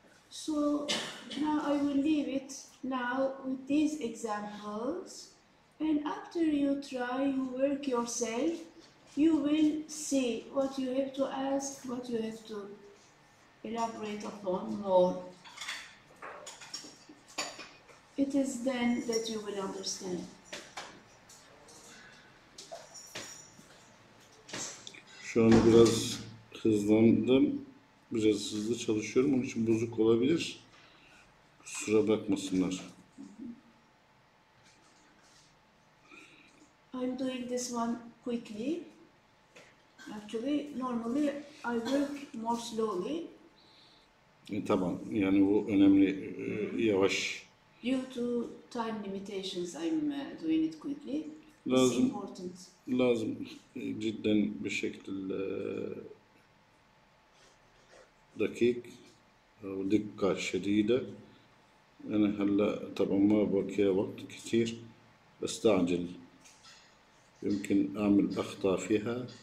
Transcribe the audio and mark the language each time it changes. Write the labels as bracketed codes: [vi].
[en] So now I will leave it. Now with these examples, and after you try, you work yourself, you will see what you have to ask, what you have to elaborate upon more. It is then that you will understand. [tr] Şu an biraz hızlandım, biraz hızlı çalışıyorum, onun için bozuk olabilir. Kusura bakmasınlar. [en] I'm doing this one quickly. Actually, normally I work more slowly. [tr] Tamam, yani bu önemli, yavaş. [en] Due to time limitations, I'm doing it quickly. [tr] Lazım, [en] it's important. [tr] Lazım, cidden bir şekilde dakik, dikka şedide. [ar] أنا هلا طبعا ما بقي وقت كثير بستعجل يمكن أعمل أخطاء فيها